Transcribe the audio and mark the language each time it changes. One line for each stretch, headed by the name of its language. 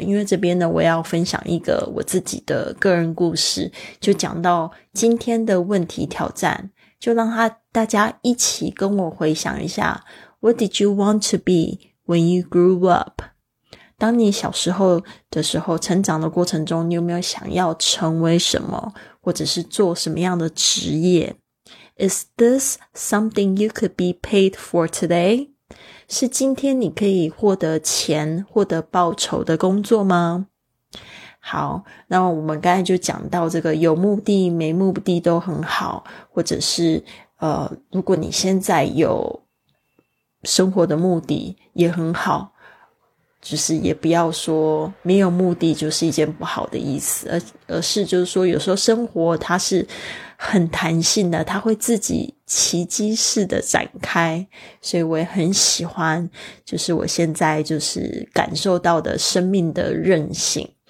Chinese: 因为这边呢我要分享一个我自己的个人故事，就讲到今天的问题挑战，就让大家一起跟我回想一下，
English: What did you want to be when you grew up?
Chinese: 当你小时候的时候，成长的过程中，你有没有想要成为什么，或者是做什么样的职业？
English: Is this something you could be paid for today?
Chinese: 是今天你可以获得钱，获得报酬的工作吗？好，那我们刚才就讲到这个有目的没目的都很好，或者是如果你现在有生活的目的也很好，就是也不要说没有目的就是一件不好的意思，而是就是说有时候生活它是很弹性的，它会自己奇迹式的展开，所以我也很喜欢就是我现在就是感受到的生命的韧性。